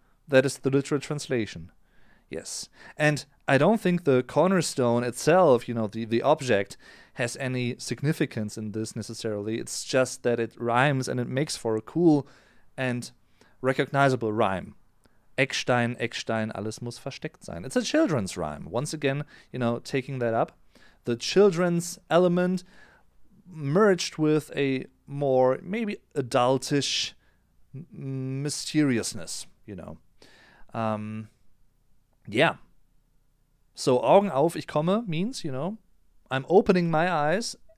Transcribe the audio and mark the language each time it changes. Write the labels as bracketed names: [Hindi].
[English] That is the literal translation. Yes. And I don't think the cornerstone itself, you know, the object, has any significance in this necessarily. It's just that it rhymes and it makes for a cool and recognizable rhyme. [German] Eckstein, Eckstein, alles muss versteckt sein. [English] It's a children's rhyme. Once again, you know, taking that up, the children's element merged with a more maybe adultish mysteriousness, you know. Yeah. So [German] Augen auf, ich komme [English] means, you know, I'm opening my eyes.